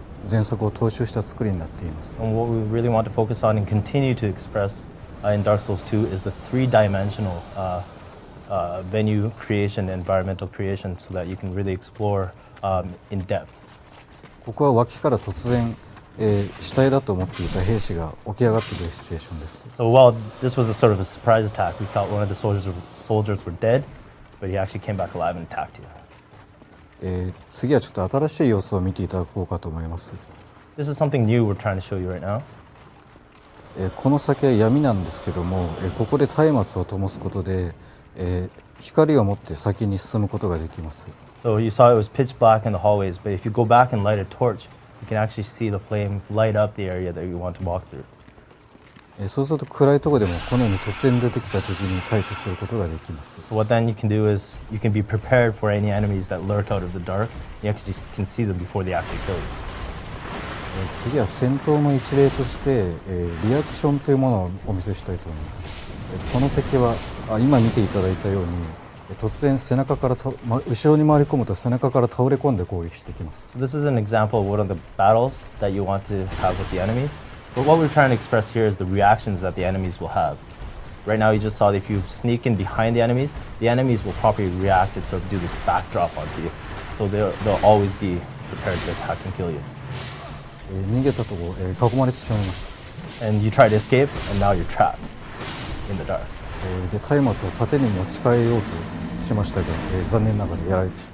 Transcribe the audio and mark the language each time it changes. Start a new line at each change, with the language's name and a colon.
Japanese: 前作を踏襲した作りになっています。
English: And what we really want to focus on and continue to express in Dark Souls 2 is the three-dimensional venue creation, environmental creation, so that you can really explore in depth.
Japanese: ここは脇から突然、死体だと思っていた兵士が起き上がってくるシチュエーションです。
English: So while this was a sort of a surprise attack, we thought one of the soldiers were dead, but he actually came back alive and attacked you.
Japanese: 次はちょっと新しい様子を見ていただこうかと思います。
English: This is something new we're trying to show you right now.
Japanese: この先は闇なんですけども、ここで松明を灯すことで、光を持って先に進むことができます。
English: So you saw it was pitch black in the hallways, but if you go back and light a torch, you can actually see the flame light up the area that you want to walk through.
Japanese: そうすると暗いところでもこのように突然出てきた敵に対処することができます。
English: So、what then you can do is you can be prepared for any enemies that lurk out of the dark. You actually can see them before they actually kill you.
Japanese: 次は戦闘の一例としてリアクションというものをお見せしたいと思います。この敵は今見ていただいたように突然背中から後ろに回り込むと背中から倒れ込んで攻撃してきます。
English: This is an example of one of the battles that you want to have with the enemies. But what we're trying to express here is the reactions that the enemies will have. Right now, you just saw that if you sneak in behind the enemies will properly react and sort of do this backdrop onto you. So they'll always be prepared to attack and kill you. And you try to escape, and now you're trapped in the dark.